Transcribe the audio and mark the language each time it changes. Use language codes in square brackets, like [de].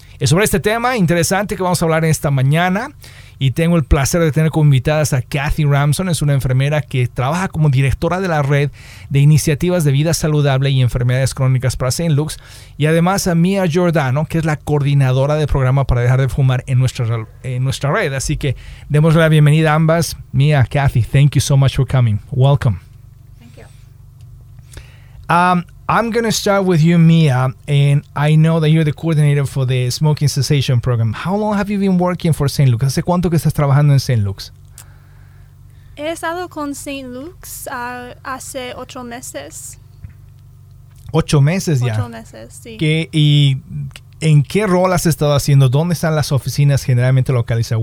[es] Es sobre este tema interesante que vamos a hablar esta mañana. Y tengo el placer de tener como invitadas a Kathy Ramson, es una enfermera que trabaja como directora de la red de iniciativas de vida saludable y enfermedades crónicas para St. Luke's. Y además a Mia Giordano, que es la coordinadora de programa para dejar de fumar en nuestra red. Así que démosle la bienvenida a ambas. [en] Mia, Kathy, thank you so much for coming. Welcome. Thank you. I'm going to start with you, Mia, and I know that you're the coordinator for the Smoking Cessation Program. How long have you been working for St. [es] Luke's? ¿Hace cuánto que estás trabajando en St. Luke's? He estado con St. Luke's hace 8 meses. ¿8 meses ya? 8 meses, sí. ¿Y en qué rol has estado haciendo? ¿Dónde están las oficinas generalmente localizadas?